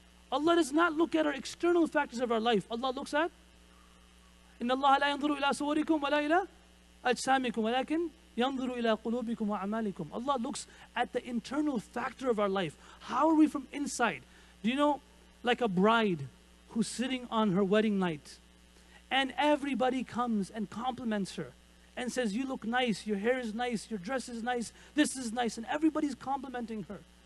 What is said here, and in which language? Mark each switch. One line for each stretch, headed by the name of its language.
English: Allah does not look at our external factors of our life. Allah looks at,
Arabic: إِنَّ اللَّهَ لَا يَنْظُرُ إِلَىٰ صُوَرِكُمْ وَلَا إِلَىٰ أَجْسَامِكُمْ وَلَكِنْ يَنْظُرُ إِلَىٰ قُلُوبِكُمْ وَعَمَالِكُمْ.
English: Allah looks at the internal factor of our life. How are we from inside? Do you know, like a bride who's sitting on her wedding night, and everybody comes and compliments her and says, you look nice, your hair is nice, your dress is nice, this is nice, and everybody's complimenting her.